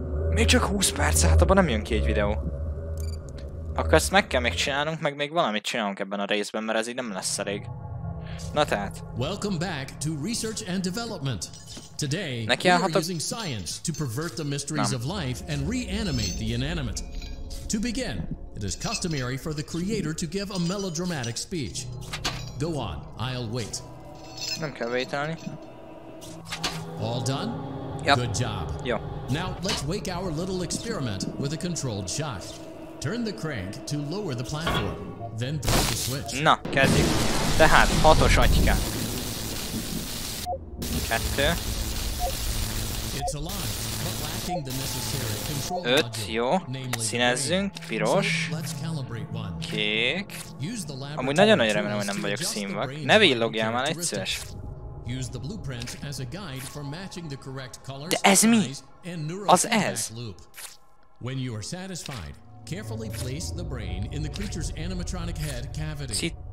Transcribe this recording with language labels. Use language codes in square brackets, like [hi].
[hu] Még csak 20 perc, hát abban nem jön ki egy videó. Akkor ezt meg kell még csinálnunk, meg még valamit csinálunk ebben a részben, mert ez így nem lesz elég. Na tehát. [en] Welcome back to research and development. Today, [hu] neki állhatok? [en] We are using science to pervert the mysteries of life and reanimate the inanimate. To begin, it is customary for the creator to give a melodramatic speech. Go on, I'll wait. [hu] Nem kell vétálni. [en] All done? Yep. Good job. [hu] Jó. [en] Now, let's wake our little experiment with a controlled shock. Turn the crank to lower the platform, then throw the switch. [hu] Na, kezdjük. Tehát, hatos atyka. Kettő. [en] It's alive, but lacking the necessary control. [hu] Öt, jó. Színezzünk, piros. Kék. Amúgy nagyon nagy remélem, hogy nem vagyok színvak. Ne villogjál már, légy szíves. [en] Use the blueprints as a guide for matching the correct colors. [hu] De ez mi? Az ez. [en] When you are satisfied, carefully place the brain in the creature's animatronic head cavity.